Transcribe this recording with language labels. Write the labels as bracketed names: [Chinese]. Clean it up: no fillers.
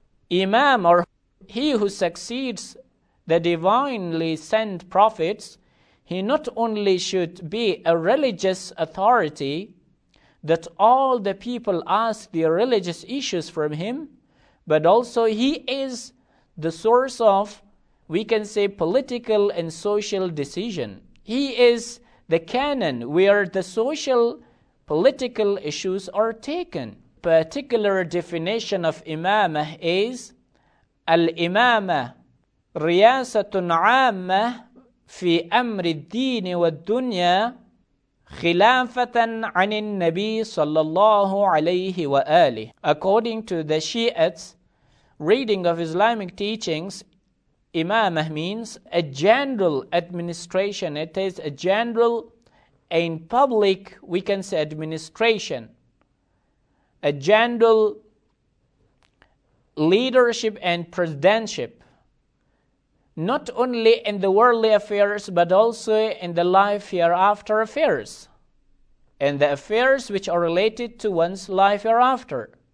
[English] Imam, or he who succeeds the divinely sent prophets, he not only should be a religious authority that all the people ask their religious issues from him, but also he is the source of, we can say, political and social decision. He is the canon where the social, political issues are taken. Particular definition of imam is [Arabic] الإمامة رياسة عامة في أمر الدين والدنيا خلافة عن النبي صلى الله عليه وآله. [English] According to the Shi'ites' reading of Islamic teachings, imam means a general administration. It is a general and public, we can say, administration. A general leadership and presidentship, not only in the worldly affairs, but also in the life hereafter affairs, and the affairs which are related to one's life hereafter.